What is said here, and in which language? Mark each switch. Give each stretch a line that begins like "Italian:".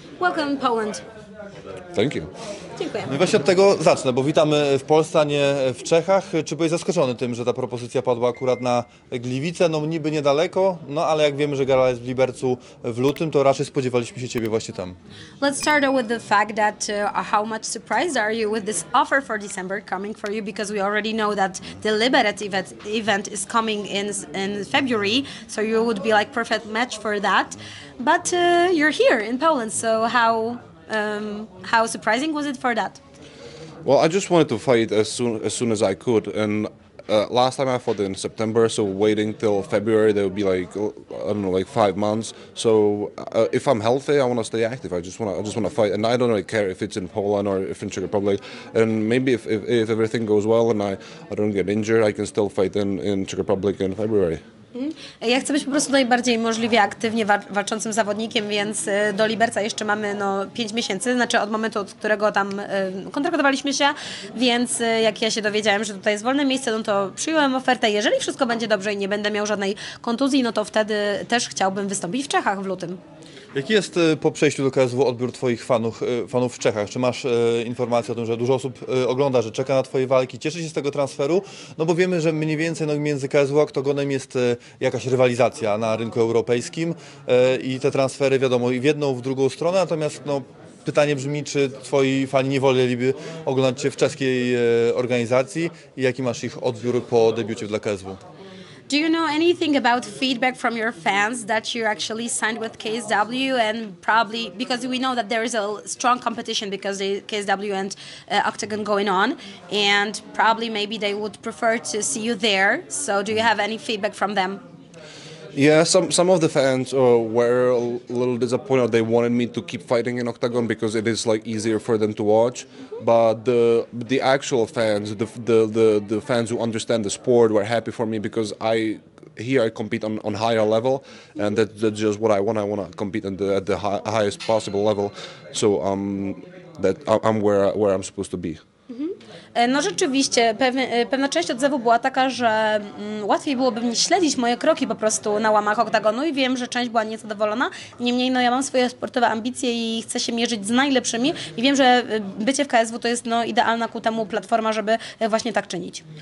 English: Welcome Poland. Thank you.
Polish: Dziękuję. No i właśnie od tego zacznę, bo witamy w Polsce, a nie w Czechach. Czy byłeś zaskoczony tym, że ta propozycja padła akurat na Gliwice? No niby niedaleko, no ale jak wiemy, że gala jest w Libercu w lutym, to raczej spodziewaliśmy się ciebie właśnie tam.
English: Let's start with the fact that how much surprised are you with this offer for December coming for you, because we already know that the Liberec event is coming in February, so you would be like perfect match for that. But you're here in Poland, so how surprising was it for that? Well, I just wanted to fight as soon as I could, and last time I fought in September, so waiting till February, there would be like, I don't know, like 5 months. So if I'm healthy, I want to stay active. I just want to fight, and I don't really care if it's in Poland or if in Czech Republic. And maybe if everything goes well and I don't get injured, I can still fight in Czech Republic in February.
Polish: Ja chcę być po prostu najbardziej możliwie aktywnie walczącym zawodnikiem, więc do Liberca jeszcze mamy 5 miesięcy, znaczy od momentu, od którego tam kontraktowaliśmy się, więc jak ja się dowiedziałem, że tutaj jest wolne miejsce, no to przyjąłem ofertę. Jeżeli wszystko będzie dobrze i nie będę miał żadnej kontuzji, no to wtedy też chciałbym wystąpić w Czechach w lutym. Jaki jest po przejściu do KSW odbiór twoich fanów w Czechach? Czy masz informację o tym, że dużo osób ogląda, że czeka na twoje walki, cieszy się z tego transferu? No bo wiemy, że mniej więcej między KSW a Oktogonem jest jakaś rywalizacja na rynku europejskim i te transfery, wiadomo, i w jedną, w drugą stronę, natomiast no, pytanie brzmi, czy twoi fani nie woleliby oglądać cię w czeskiej organizacji i jaki masz ich odbiór po debiucie dla KSW?
English: Do you know anything about feedback from your fans that you actually signed with KSW and probably, because we know that there is a strong competition because the KSW and Octagon going on, and probably maybe they would prefer to see you there, so do you have any feedback from them? Yeah, some of the fans were a little disappointed. They wanted me to keep fighting in Octagon because it is like easier for them to watch. But the actual fans, the fans who understand the sport, were happy for me because I compete on higher level, and that's just what I want. I want to compete at the highest possible level. So that I'm where I'm supposed to be.
Polish: No rzeczywiście, pewna część odzewu była taka, że łatwiej byłoby mi śledzić moje kroki po prostu na łamach Oktagonu i wiem, że część była niezadowolona. Niemniej no ja mam swoje sportowe ambicje i chcę się mierzyć z najlepszymi i wiem, że bycie w KSW to jest idealna ku temu platforma, żeby właśnie tak czynić.